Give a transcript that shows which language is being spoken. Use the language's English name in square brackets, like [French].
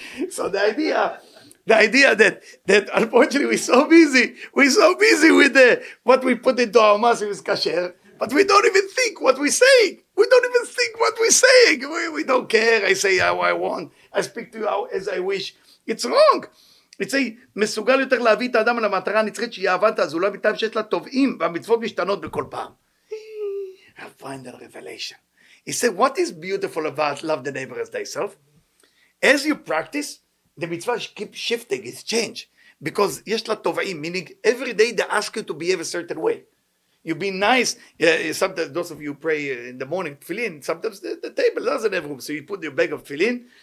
[English] So the idea that unfortunately we're so busy with what we put into our mouths is kasher, but we don't even think what we're saying. We don't even think what we're saying. We don't care. I say how I want. I speak to you how as I wish. It's wrong. It's a [Hebrew] מסוגל יותר להביא את האדם למטרה הנצחית שהיא אהבת הזולה מטעם שיש לה תובעים והמצוות משתנות בכל פעם. [English] A final revelation. He said, what is beautiful about love the neighbor as thyself? As you practice, the mitzvah keeps shifting, it's changed. Because yesh la tova'im, meaning every day they ask you to behave a certain way. You be nice. Sometimes those of you pray in the morning, tefillin, sometimes the table doesn't have room. So you put your bag of tefillin,